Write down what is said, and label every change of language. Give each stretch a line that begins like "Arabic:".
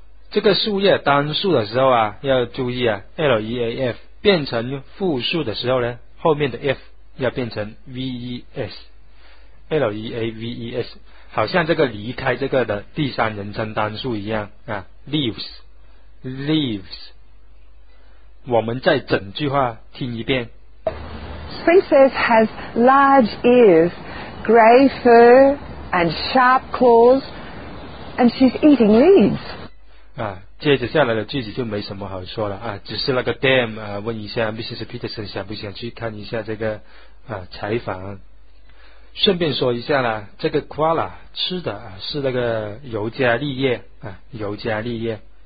Chinese: 这个树叶单数的时候要注意leaf 变成复数的时候呢，后面的 f 要变成 ves， leaves。好像这个离开这个的第三人称单数一样啊 ，leaves, leaves。我们再整句话听一遍。
English: Sphinxes has large ears, grey fur, and sharp claws, and she's eating leaves.
Chinese: 啊，接着下来的句子就没什么好说了啊，只是那个 Dam 啊，问一下 Mrs. Peterson 想不想去看一下这个啊采访。顺便说一下啦，这个 koala 吃的是那个尤加利叶啊，尤加利叶。